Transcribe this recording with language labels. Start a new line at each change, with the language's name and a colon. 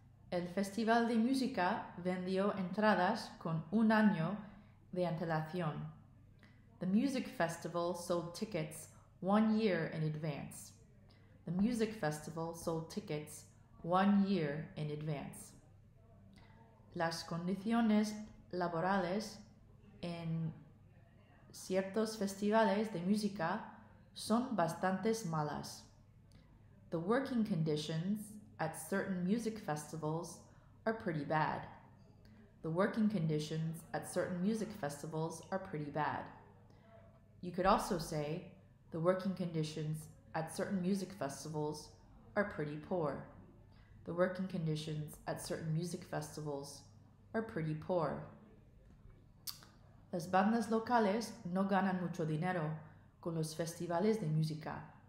Spanish: El Festival de Música vendió entradas con un año de antelación.
English: The music festival sold tickets 1 year in advance. The music festival sold tickets 1 year in advance.
Spanish: Las condiciones laborales en ciertos festivales de música son bastantes malas.
English: The working conditions at certain music festivals are pretty bad. The working conditions at certain music festivals are pretty bad. You could also say the working conditions at certain music festivals are pretty poor. The working conditions at certain music festivals are pretty poor.
Spanish: Las bandas locales no ganan mucho dinero con los festivales de música.